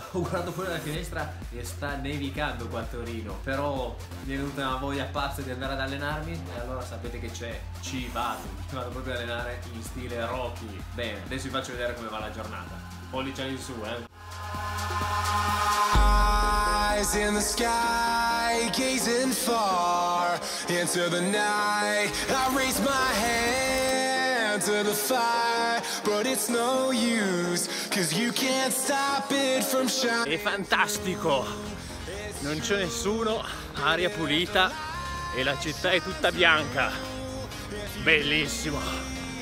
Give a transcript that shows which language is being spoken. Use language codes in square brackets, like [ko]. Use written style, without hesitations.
[it] Ho guardato fuori dalla finestra e sta nevicando qua a Torino. Però mi è venuta una voglia pazza di andare ad allenarmi. E allora sapete che c'è, ci vado proprio ad allenare in stile Rocky. Bene, adesso vi faccio vedere come va la giornata. Pollice in su, [en] Eyes in the sky, gazing far into the night. I raise my hand to the fire, but it's no use, 'cause you can't stop it from shining. [it] È fantastico! Non c'è nessuno, aria pulita e la città è tutta bianca. Bellissimo!